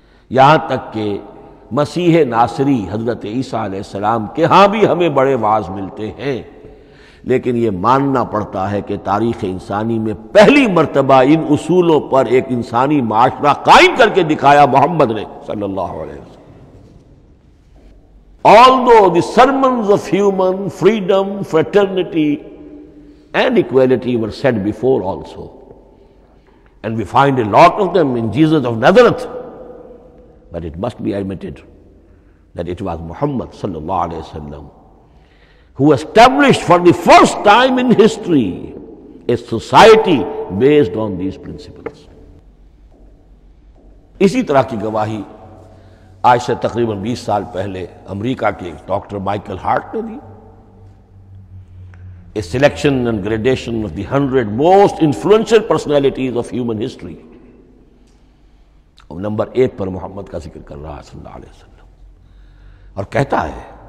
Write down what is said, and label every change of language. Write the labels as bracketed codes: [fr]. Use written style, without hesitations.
[ur] یہاں تک کہ مسیح ناصری حضرت عیسیٰ علیہ السلام کے ہاں بھی ہمیں بڑے واعظ ملتے ہیں، لیکن یہ ماننا پڑتا ہے کہ تاریخ انسانی میں پہلی مرتبہ ان اصولوں پر ایک انسانی معاشرہ قائم کر کے دکھایا محمد نے صلی اللہ علیہ وسلم. [en] Although the sermons of human freedom, fraternity and equality were said before also, and we find a lot of them in Jesus of Nazareth, but it must be admitted that it was Muhammad sallallahu alaihi wasallam who established for the first time in history a society based on these principles. [ur] Isi tarah ki gawahi آج سے تقریباً 20 سال پہلے امریکہ کے ایک doctor Michael Hart نے دی. [en] a selection and gradation of the 100 most influential personalities of human history, [ur] اب number 1 پر محمد کا ذکر کر رہا ہے صلی اللہ علیہ وسلم، اور کہتا ہے